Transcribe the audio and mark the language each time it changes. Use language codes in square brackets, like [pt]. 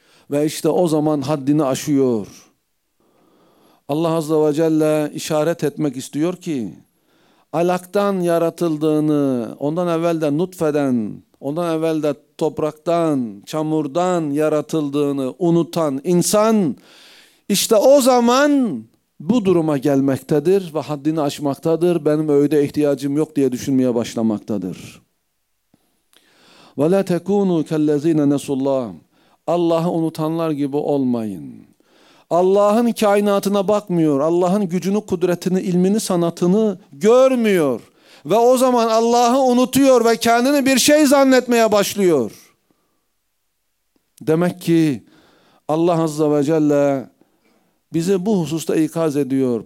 [tr] Ve işte o zaman haddini aşıyor. Allah Azze ve Celle işaret etmek istiyor ki alaktan yaratıldığını, ondan evvel de nutfeden, ondan evvel de topraktan, çamurdan yaratıldığını unutan insan işte o zaman bu duruma gelmektedir ve haddini aşmaktadır. Benim öğüde ihtiyacım yok diye düşünmeye başlamaktadır. [ar] وَلَا تَكُونُوا كَالَّذ۪ينَ نَسُوا اللّٰهِ [tr] Allah'ı unutanlar gibi olmayın. Allah'ın kainatına bakmıyor. Allah'ın gücünü, kudretini, ilmini, sanatını görmüyor. Ve o zaman Allah'ı unutuyor ve kendini bir şey zannetmeye başlıyor. Demek ki Allah Azze ve Celle bize bu hususta ikaz ediyor.